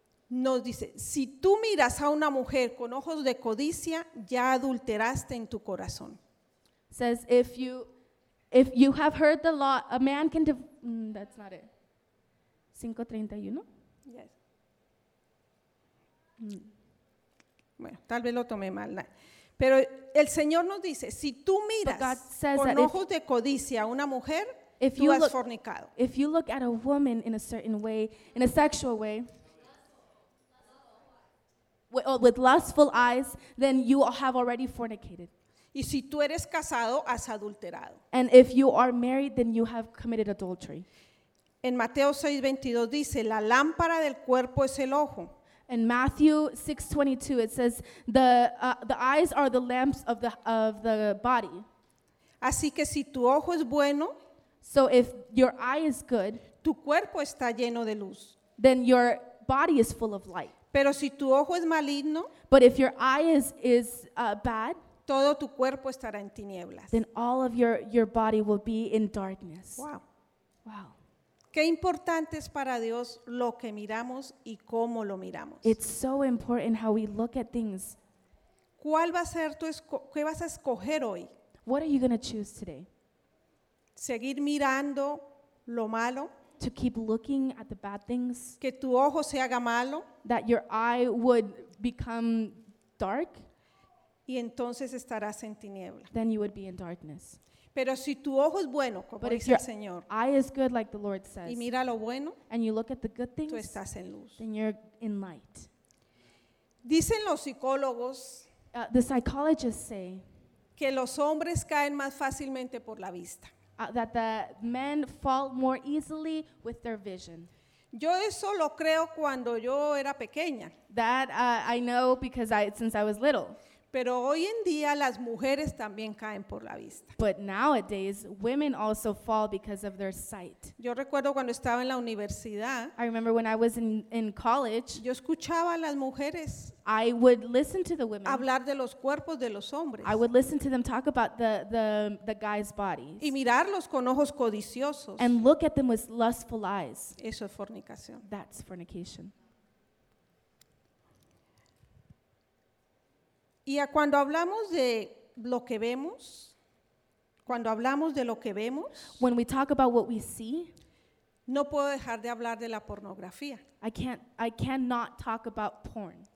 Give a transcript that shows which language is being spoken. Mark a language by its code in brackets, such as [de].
[es] Nos dice, si tú miras a una mujer con ojos de codicia, ya adulteraste en tu corazón. [en] Says, if you have heard the law, a man can, that's not it. 5:31? [es] Yes. Bueno, tal vez lo tomé mal. Pero el Señor nos dice, si tú miras con ojos de codicia a una mujer, tú has fornicado. [en] If you look at a woman in a certain way, in a sexual way, with lustful eyes, then you have already fornicated. [es] Y si tú eres casado, has adulterado. [en] And if you are married, then you have committed adultery. [es] En Mateo 6:22 dice, la lámpara del cuerpo es el ojo. [en] In Matthew 6:22 it says, the eyes are the lamps of the body. [es] Así que si tu ojo es bueno, [en] so if your eye is good, [es] tu cuerpo está lleno de luz. [en] Then your body is full of light. [es] Pero si tu ojo es maligno, [en] but if your eye is bad, [es] todo tu cuerpo estará en tinieblas. [en] Then all of your body will be in darkness. Wow. Wow. [es] Qué importante es para Dios lo que miramos y cómo lo miramos. [en] It's so important how we look at things. [es] ¿Cuál va a ser qué vas a escoger hoy? [en] What are you going to choose today? [es] Seguir mirando lo malo. [en] To keep looking at the bad things. [es] Que tu ojo se haga malo. [en] That your eye would become dark. [es] Y entonces estarás en tiniebla. [en] Then you would be in darkness. [es] Pero si tu ojo es bueno, como [en] but [es] dice [en] if your [es] el Señor, [en] eye is good, like the Lord says, [es] y mira lo bueno, [en] and you look at the good things, [es] tú estás en luz. [en] Then you're in light. [es] Dicen los psicólogos, [en] the psychologists say, [es] que los hombres caen más fácilmente por la vista. [en] That the men fall more easily with their vision. [es] Yo eso lo creo cuando yo era pequeña. [en] That I know because since I was little. [es] Pero hoy en día las mujeres también caen por la vista. [en] But nowadays women also fall because of their sight. [es] Yo recuerdo cuando estaba en la universidad. [en] I remember when I was in college. [es] Yo escuchaba a las mujeres. [en] I would listen to the women. [es] Hablar de los cuerpos de los hombres. [en] I would listen to them talk about the guys' bodies. [es] Y mirarlos con ojos codiciosos. [en] And look at them with lustful eyes. [es] Eso es fornicación. [en] That's fornication. [es] Y cuando hablamos de lo que vemos, cuando hablamos de lo que vemos, [en] when we talk about what we see, [es] no puedo dejar de hablar de la pornografía. [en] I cannot talk about porn.